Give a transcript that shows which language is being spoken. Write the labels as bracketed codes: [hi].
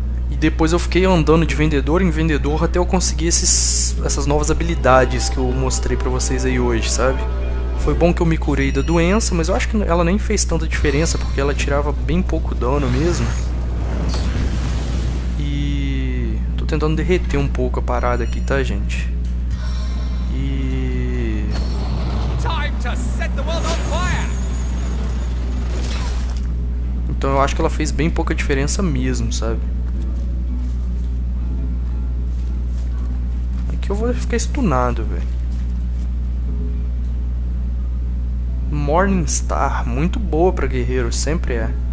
[pt] E depois eu fiquei andando de vendedor em vendedor até eu conseguir essas novas habilidades que eu mostrei pra vocês aí hoje, sabe? Foi bom que eu me curei da doença, mas eu acho que ela nem fez tanta diferença, porque ela tirava bem pouco dano mesmo. E... Tô tentando derreter um pouco a parada aqui, tá, gente? E... [en] Time to set the world on fire! [pt] Então eu acho que ela fez bem pouca diferença mesmo, sabe? Aqui eu vou ficar stunado, velho. Morningstar, muito boa pra guerreiro, sempre é.